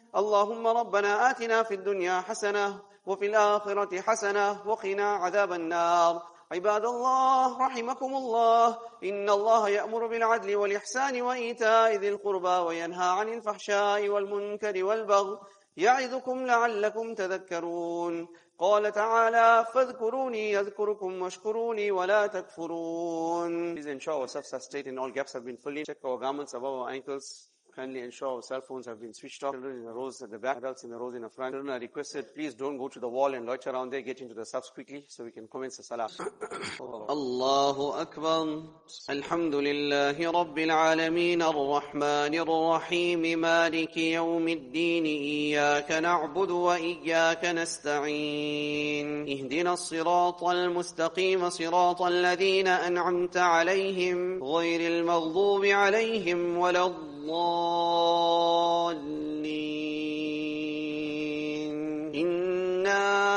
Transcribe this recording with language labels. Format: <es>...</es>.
<ar>اللهم ربنا آتنا في الدنيا حسنة وفي الآخرة حسنة وقنا عذاب النار عباد الله رحمكم الله إن الله يأمر بالعدل والإحسان وإيتاء ذي القربى وينهى عن الفحشاء والمنكر والبغي يعظكم لعلكم تذكرون قال تعالى فاذكروني يذكركم واشكروني ولا تكفرون</ar> <en>Please ensure ourselves are straight and all gaps have been filled. Check our garments above our ankles. Kindly ensure our cell phones have been switched off. Children in the rows at the back, adults in the rows in the front. Children are requested, please don't go to the wall and loiter around there. Get into the subs quickly so we can commence the salah.</en> <ar>Allahu Akbar. Alhamdulillahi Rabbil Alameen Ar-Rahman Ar-Rahim Maliki Yawm Al-Din Iyaka Na'budu Wa Iyaka Nasta'in Ihdina الصراط المستقيم صراط الذين أنعمت عليهم غير المغضوب عليهم ولا الضالين إنا</ar>